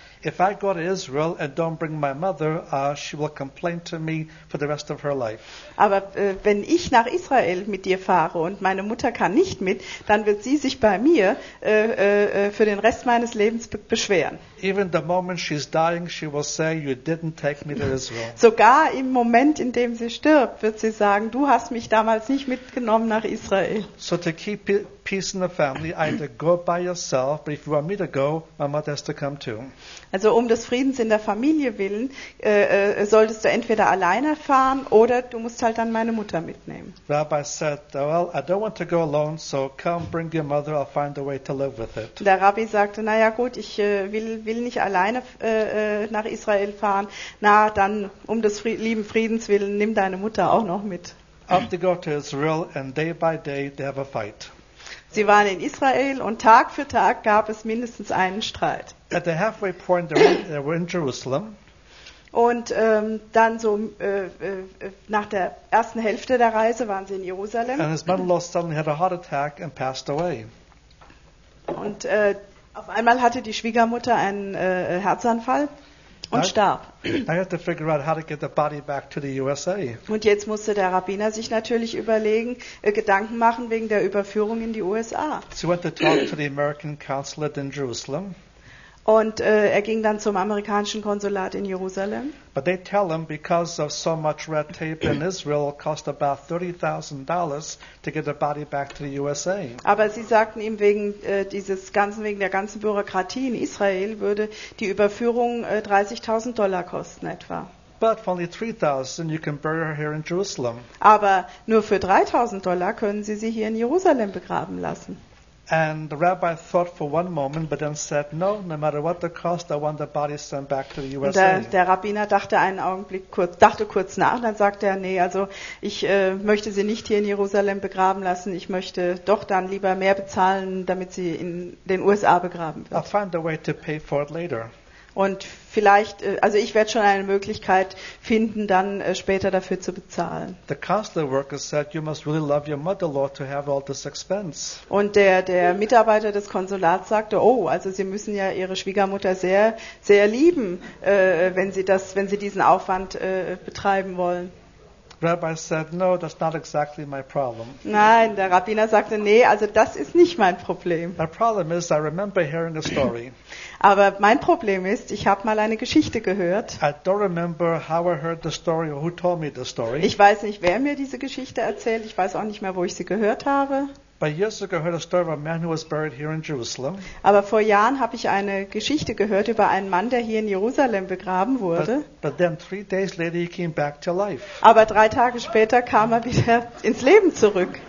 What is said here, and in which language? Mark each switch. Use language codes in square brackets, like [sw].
[en] If I go to Israel and don't bring my mother, she will complain to me for the rest of her life. [de] Aber wenn ich nach Israel mit dir fahre und meine Mutter kann nicht mit, dann wird sie sich bei mir für den Rest meines Lebens beschweren. [en] Even the moment she's dying, she will say, "You didn't take me to Israel." [de] Sogar im Moment, in dem sie stirbt, wird sie sagen, du hast mich damals nicht mitgenommen nach Israel. [en] So to keep peace in the family, either go by yourself, but if you want me to go, my mother has to come too. [de] Also um des Friedens in der Familie willen, solltest du entweder alleine fahren oder du musst halt dann meine Mutter mitnehmen. [en] Rabbi said, well, I don't want to go alone, so come bring your mother, I'll find a way to live with it. [de] Der Rabbi sagte, naja gut, ich will nicht alleine nach Israel fahren, na dann um des lieben Friedens willen, nimm deine Mutter auch noch mit. [en] Up they go to Israel and day by day they have a fight. [de] Sie waren in Israel und Tag für Tag gab es mindestens einen Streit. [en] At the halfway point, they were in Jerusalem. [de] Und dann so nach der ersten Hälfte der Reise waren sie in Jerusalem. [en] And his mother-in-law suddenly had a heart attack and passed away. [de] Und auf einmal hatte die Schwiegermutter einen Herzanfall. Und starb. [en] I have to figure out how to get the body back to the USA. [de] Und jetzt musste der Rabbiner sich natürlich überlegen, Gedanken machen wegen der Überführung in die USA. [en] So he went to talk to the American consulate in Jerusalem. [de] Und er ging dann zum amerikanischen Konsulat in Jerusalem. [en] But they tell him because of so much red tape in Israel, it cost about $30,000 to get the body back to the USA. [de] Aber sie sagten ihm wegen der ganzen Bürokratie in Israel würde die Überführung $30,000 kosten etwa. [en] But for only $3,000, you can bury her here in Jerusalem. [de] Aber nur für $3,000 können Sie sie hier in Jerusalem begraben lassen. [en] And the rabbi thought for one moment, but then said, "No, no matter what the cost, I want the body sent back to the USA." [de] Der Rabbiner dachte kurz nach, dann sagte er, "Nee, also ich möchte sie nicht hier in Jerusalem begraben lassen. Ich möchte doch dann lieber mehr bezahlen, damit sie in den USA begraben wird." [en] I'll find a way to pay for it later. [de] Und vielleicht, also ich werde schon eine Möglichkeit finden, dann später dafür zu bezahlen. [en] The consular worker said, "You must really love your mother-in-law to have all this expense." [de] Und der Mitarbeiter des Konsulats sagte, oh, also Sie müssen ja Ihre Schwiegermutter sehr, sehr lieben, wenn Sie diesen Aufwand betreiben wollen. [en] Rabbi said, "No, that's not exactly my problem." [de] Nein, der Rabbiner sagte, nee, also das ist nicht mein Problem. [en] My problem is, I remember hearing a story. [de] Aber mein Problem ist, ich habe mal eine Geschichte gehört. [en] I don't remember how I heard the story or who told me the story. [de] Ich weiß nicht, wer mir diese Geschichte erzählt. Ich weiß auch nicht mehr, wo ich sie gehört habe. [en] But years ago, I heard a story of a man who was buried here in Jerusalem. [de] Aber vor Jahren habe ich eine Geschichte gehört über einen Mann, der hier in Jerusalem begraben wurde. [en] But then 3 days later, he came back to life. [de] Aber 3 Tage später kam er wieder ins Leben zurück.